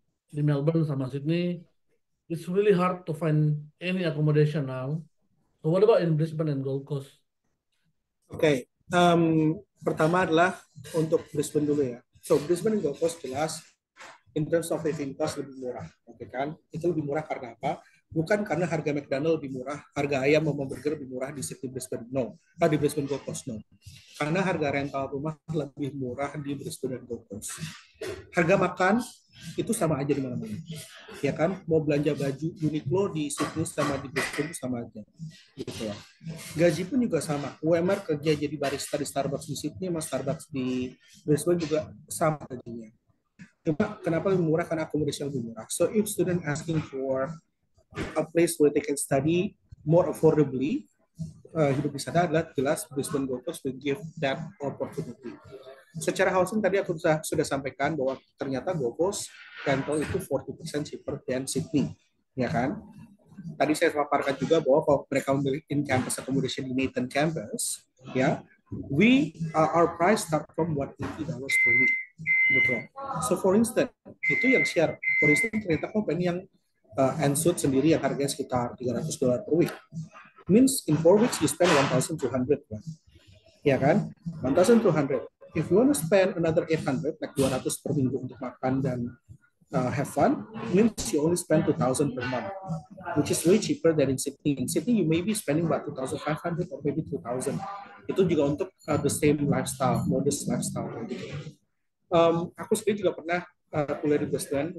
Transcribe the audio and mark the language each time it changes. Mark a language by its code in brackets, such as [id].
[en] di Melbourne sama Sydney, it's really hard to find any accommodation now. So what about in Brisbane and Gold Coast? Okay. [id] Pertama adalah untuk Brisbane dulu ya. [en] So Brisbane and Gold Coast [id] jelas [en] in terms of living cost [id] lebih murah, okay kan? Itu lebih murah karena apa? Bukan karena harga McDonald lebih murah, harga ayam sama burger lebih murah di Sydney Brisbane. No, nah, di Brisbane Gold Coast no. Karena harga rental rumah lebih murah di Brisbane dan Gold Coast. Harga makan itu sama aja di mana-mana. Ya kan? Mau belanja baju Uniqlo di Sydney sama di Brisbane sama aja. Gitu ya. Gaji pun juga sama. UMR kerja jadi barista di Starbucks di Sydney sama Starbucks di Brisbane juga sama gajinya. Cuma kenapa lebih murah? Karena accommodation lebih murah. [en] So if student asking for a place where they can study more affordably, [id] hidup di sana adalah jelas [en] Brisbane Gold Coast will give that opportunity. [id] Secara housing tadi aku sudah sampaikan bahwa ternyata Gold Coast rental itu [en] 40% cheaper than Sydney, [id] ya kan? Tadi saya paparkan juga bahwa kalau mereka memilih in campus accommodation di Nathan Campus, ya, [en] we our price start from $180 per week, [id] gitu. So for instance, itu yang share. For instance, ternyata company yang Ansuit sendiri yang harganya sekitar $300 per week. [en] Means in 4 weeks you spend 1,200, kan? Ya kan? 1,200. If you want to spend another 800, like 200 [id] per minggu untuk makan dan [en] have fun, means you only spend 2,000 per month, which is way cheaper than in Sydney. In Sydney, you may be spending about 2,500 or maybe 2,000. [id] Itu juga untuk [en] the same lifestyle, modest lifestyle. Gitu. [id] Aku sendiri juga pernah kuliah di Boston.